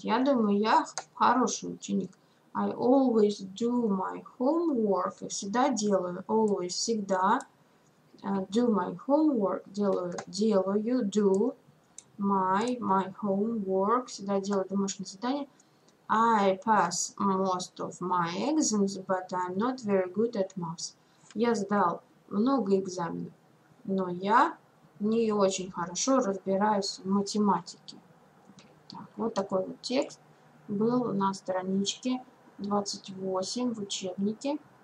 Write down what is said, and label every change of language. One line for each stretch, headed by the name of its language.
Russian: Я думаю, я хороший ученик.
English: I always do my homework.
Russian: Я всегда делаю.
English: Always,
Russian: всегда.
English: Do my homework.
Russian: Делаю.
English: Do my homework.
Russian: Всегда делаю домашнее задание.
English: I pass most of my exams, but I'm not very good at maths.
Russian: Я сдал много экзаменов, но я не очень хорошо разбираюсь в математике. Так, вот такой вот текст был на страничке 28 в учебнике.